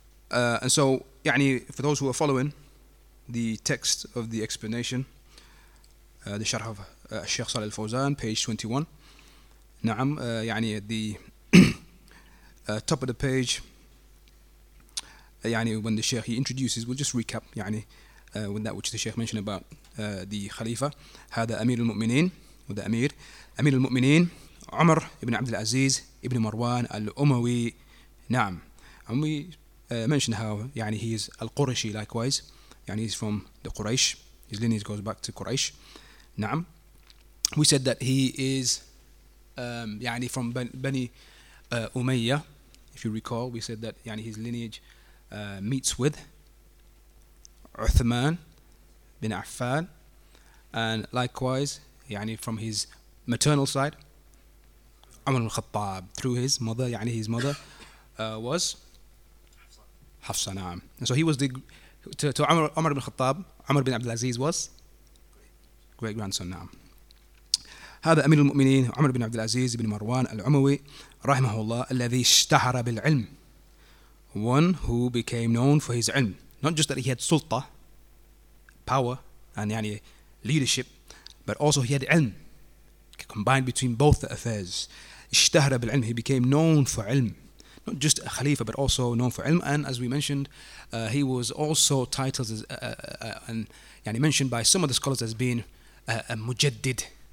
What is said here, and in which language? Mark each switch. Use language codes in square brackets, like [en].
[en] And so, يعني for those who are following the text of the explanation, the sharh of Sheikh Salih al-Fawzan, page 21. نعم, يعني at the top of the page, يعني when the Sheikh he introduces, we'll just recap, يعني with that which the Sheikh mentioned about the Khalifa. [ar] هذا أمير المؤمنين, [en] with the Amir. [ar] أمير المؤمنين, عمر ابن عبد العزيز ابن مروان الأموي. نعم. [en] And we mentioned how, يعني he is Al-Qurashi likewise. يعني he's from the Quraysh. His lineage goes back to Quraysh. نعم. We said that he is يعني from Bani Umayyah. If you recall, we said that يعني his lineage meets with Uthman bin Affan. And likewise, يعني from his maternal side, Umar al-Khattab, through his mother, يعني his mother was Hafsa. نعم. And so he was to Umar bin Khattab, Umar bin Abdul Aziz was great-grandson. نعم. [ar] هذا أمير المؤمنين عمر بن عبد العزيز بن مروان العموي رحمه الله الذي اشتهر بالعلم. [en] One who became known for his علم. Not just that he had سلطة, power, and يعني leadership, but also he had علم. Combined between both the affairs. [ar] اشتهر بالعلم. [en] He became known for علم. Not just a خليفة, but also known for علم. And as we mentioned, he was also titled as, and يعني mentioned by some of the scholars as being a مجدد.